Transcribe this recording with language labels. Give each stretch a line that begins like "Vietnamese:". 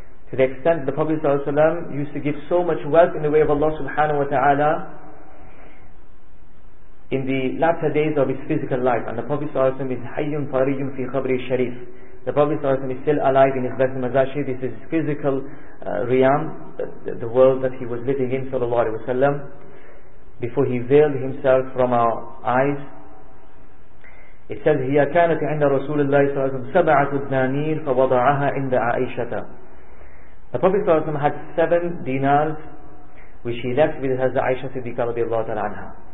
English: To the extent the Prophet sallallahu alayhi wa sallam used to give so much wealth in the way of Allah subhanahu wa ta'ala in the latter days of his physical life. And the Prophet sallallahu alayhi wa sallam is hayyun fariyun fi khabri sharif. The Prophet sallallahu alayhi wa sallam is still alive in his best mazashi. This is his physical riyam, the world that he was living in sallallahu alayhi wa sallam, before he veiled himself from our eyes. It says
Arabic: هي كانت عند رسول الله صلى الله عليه وسلم سبعة دنانير فوضعها عند عائشة.
English: The Prophet صلى الله عليه وسلم had 7 dinars which he left with his Aisha Siddiq رضي الله تعالى عنها.